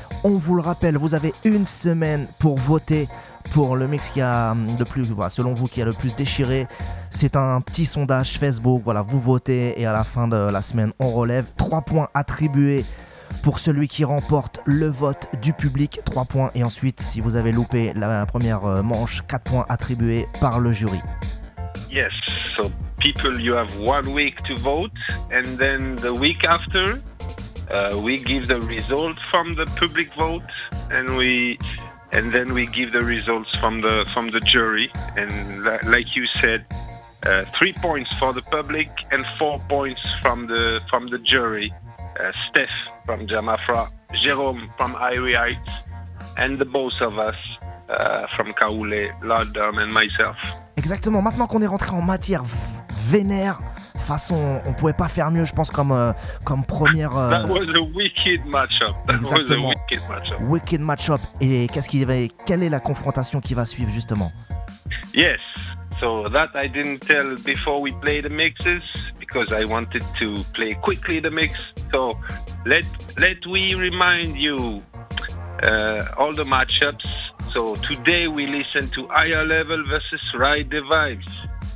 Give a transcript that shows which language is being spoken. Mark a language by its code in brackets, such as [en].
[fr] On vous le rappelle, vous avez une semaine pour voter pour le mix qui a le plus, selon vous, qui a le plus déchiré. C'est un petit sondage Facebook. Voilà, vous votez et à la fin de la semaine, on relève 3 points attribués pour celui qui remporte le vote du public, 3 points. Et ensuite, si vous avez loupé la première manche, 4 points attribués par le jury. [en] Yes, so people, you have 1 week to vote. And then the week after, we give the results from the public vote. And then we give the results from the jury. And like you said, 3 points for the public and 4 points from the jury. Steph from Jamafra, Jérôme from Irie Heights, and the both of us from Kaoulé, Lord and myself. [fr] Exactement, maintenant qu'on est rentré en matière vénère, façon, on pouvait pas faire mieux, je pense, comme première... [en] That was a wicked matchup. [fr] Et quelle est la confrontation qui va suivre, justement? [en] Yes, so that I didn't tell before we play the mixes, because I wanted to play quickly the mix. So let we remind you all the matchups. So today we listen to Higher Level versus Ride the Vibes.